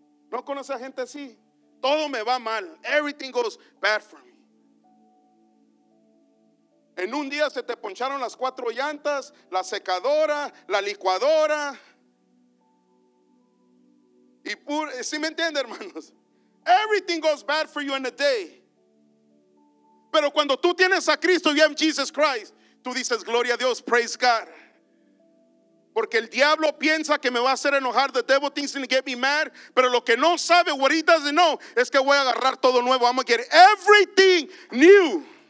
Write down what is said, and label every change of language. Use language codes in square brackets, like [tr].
[es] ¿No conoce a gente así? Todo me va mal. [en] Everything goes bad for me. [es] En un día se te poncharon las cuatro llantas, la secadora, la licuadora. Y ¿sí me entiende, hermanos? [en] Everything goes bad for you in a day. [es] Pero cuando tú tienes a Cristo, [en] you have Jesus Christ, [es] tú dices, gloria a Dios, [en] praise God. [es] Porque el diablo piensa que me va a hacer enojar. [en] The devil thinks he's going to get me mad. [es] Pero lo que no sabe, [en] what he doesn't know, [es] es que voy a agarrar todo nuevo. [en] I'm going to get everything new.